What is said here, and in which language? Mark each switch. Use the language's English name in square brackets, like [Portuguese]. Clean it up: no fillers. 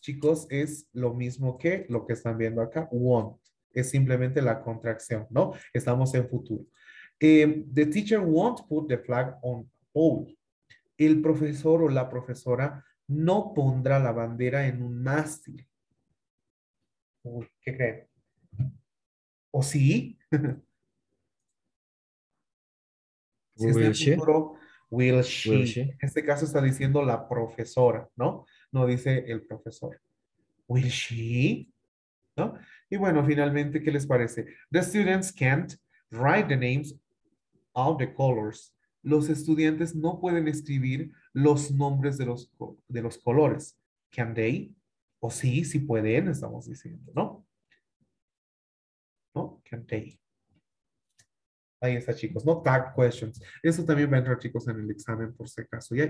[Spanish] chicos, es lo mismo que lo que están viendo acá. Won't. Es simplemente la contracción, ¿no? Estamos en futuro. [English] The teacher won't put the flag on pole. [Spanish] El profesor o la profesora no pondrá la bandera en un mástil. Uy, ¿qué creen? ¿O sí? [English] Will she? [Spanish] En este caso está diciendo la profesora, ¿no? No dice el profesor. [English] Will she? [Spanish] ¿No? Y bueno, finalmente, ¿qué les parece? [English] The students can't write the names of the colors. [Spanish] Los estudiantes no pueden escribir los nombres de los colores. [English] Can they? [Spanish] ¿O sí? Sí pueden, estamos diciendo, ¿no? ¿No? [English] Can they? [Spanish] Ahí está, chicos, ¿no? Tag questions. Eso también va a entrar, chicos, en el examen, por si acaso, ¿ya?